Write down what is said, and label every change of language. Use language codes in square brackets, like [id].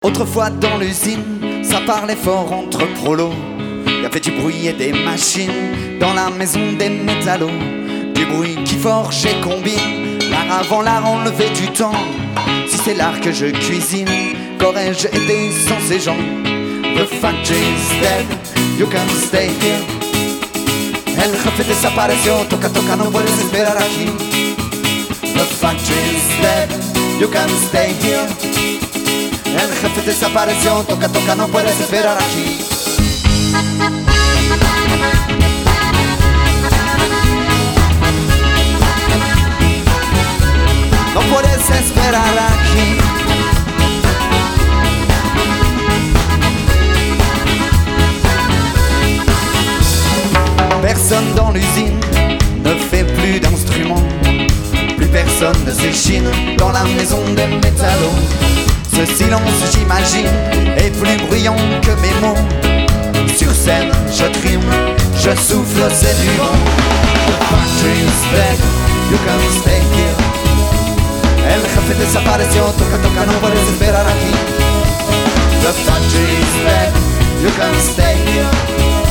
[fr] Autrefois dans l'usine, ça parlait fort entre prolos. Il y avait du bruit et des machines dans la maison des métallos. Du bruit qui forge et combine, l'art avant l'art enlevé du temps. Si c'est l'art que je cuisine, qu'aurais-je été sans ces gens? [en] The fact is dead, you can stay here. [es] El jefe desapareció, toca toca, no puedes esperar aquí. [en] The fact is dead, you can stay here. [es] El jefe desapareció, toca toca, no puedes esperar aquí. No puedes esperar aquí. [fr] Personne dans l'usine ne fait plus d'instruments. Plus personne ne s'échine dans la maison des métallos. Ce silence, j'imagine, est plus bruyant que mes mots. Sur scène, je trime, je souffle, c'est du vent. [en] The factory is dead, you can stay here. [es] El jefe desapareció, toca toca, no puedes esperar aquí. [en] The factory is dead, you can stay here.